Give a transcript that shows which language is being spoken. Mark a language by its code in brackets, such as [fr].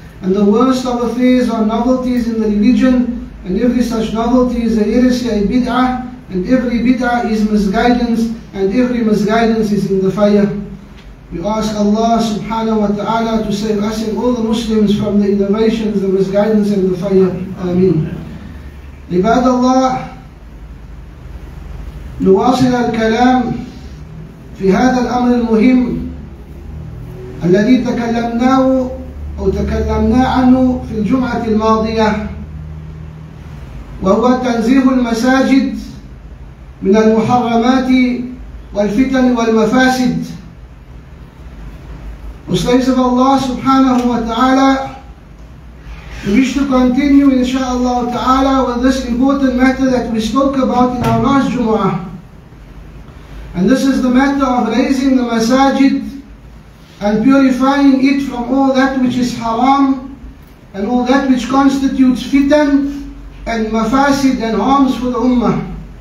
[en] And the worst of affairs are novelties in the religion, and every such novelty is a heresy, a bid'ah, and every bid'ah is misguidance, and every misguidance is in the fire. We ask Allah subhanahu wa ta'ala to save us and all the Muslims from the innovations, the misguidance, and the fire. Ameen. [ar] Ibadallah, nuwasil al-kalam في هذا الأمر المهم الذي تكلمناه أو تكلمنا عنه في الجمعة الماضية، وهو تنزيه المساجد من المحرمات والفتن والمفاسد. أستغفر الله سبحانه وتعالى. [en] We wish to continue inshallah ta'ala with this important matter that we spoke about in our last Jumu'ah. And this is the matter of raising the masajid and purifying it from all that which is haram and all that which constitutes fitan and mafasid and harms for the ummah.